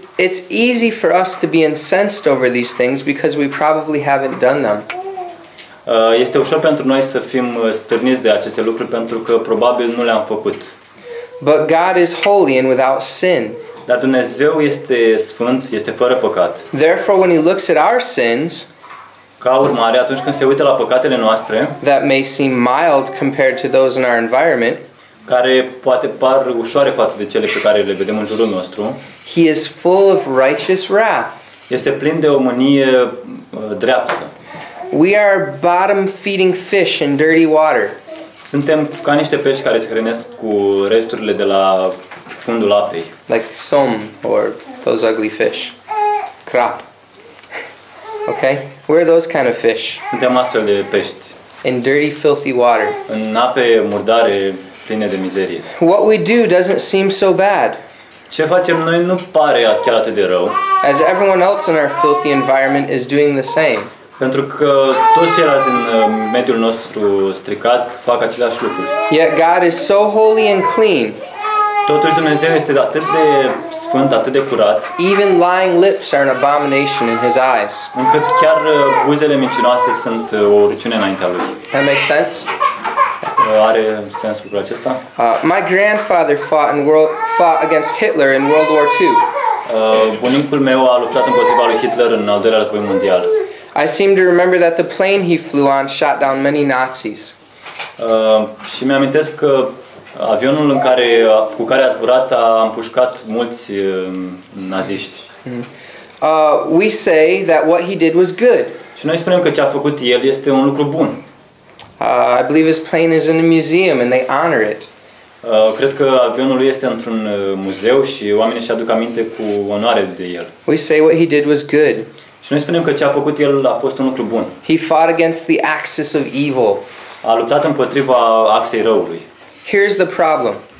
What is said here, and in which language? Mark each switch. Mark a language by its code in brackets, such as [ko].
[en] It's easy for us to be incensed over these things because we probably haven't done them. [ro] Este ușor pentru noi să fim stârniți de aceste lucruri pentru că probabil nu le-am făcut. [en] But God is holy and without sin. [ro] Dar Dumnezeu este sfânt, este fără păcat. [en] Therefore, when he looks at our sins, [ro] ca urmare, atunci când se uită la păcatele noastre, [en] that may seem mild compared to those in our environment, [ro] care poate par ușoare față de cele pe care le vedem în jurul nostru, [en] he is full of righteous wrath. [ro] Este plin de o mânie dreaptă. [en] We are bottom feeding fish in dirty water. [ro] Suntem ca niște pești care se hrănesc cu resturile de la fundul apei. [en] Like som or those ugly fish. Crap. Okay? Where are those kind of fish? [ro] Suntem astfel de pești. [en] In dirty, filthy water. [ro] În ape murdare, pline de mizerie. [en] What we do doesn't seem so bad. [ro] Ce facem noi nu pare chiar atât de rău. [en] As everyone else in our filthy environment is doing the same. [ro] Pentru că toți ceilalți din mediul nostru stricat fac aceleași lucruri. [en] Yet God is so holy and clean. [ro] Totuși Dumnezeu este atât de sfânt, atât de curat. [en] Even lying lips are an abomination in his eyes. [ro] Încât chiar buzele mincinoase sunt o urâciune înaintea lui. [en] That makes sense? [ro] Are sens lucrul acesta? [en] My grandfather fought against Hitler in World War II. [ro] Bunicul meu a luptat împotriva lui Hitler în al doilea război mondial. [en] I seem to remember that the plane he flew on shot down many Nazis. [ro] Și mi-am amintesc că avionul în care cu care a zburat a împușcat mulți naziști. [en] We say that what he did was good. [ro] Și noi spunem că ce a făcut el este un lucru bun. [en] I believe his plane is in a museum and they honor it. [ro] Cred că avionul lui este într-un muzeu și oamenii își aduc aminte cu onoare de el. [en] We say what he did was good. [ro] Și noi spunem că ce a făcut el a fost un lucru bun. [en] He fought against the axis of evil. [ro] A luptat împotriva axei răului. [en] Here's the problem.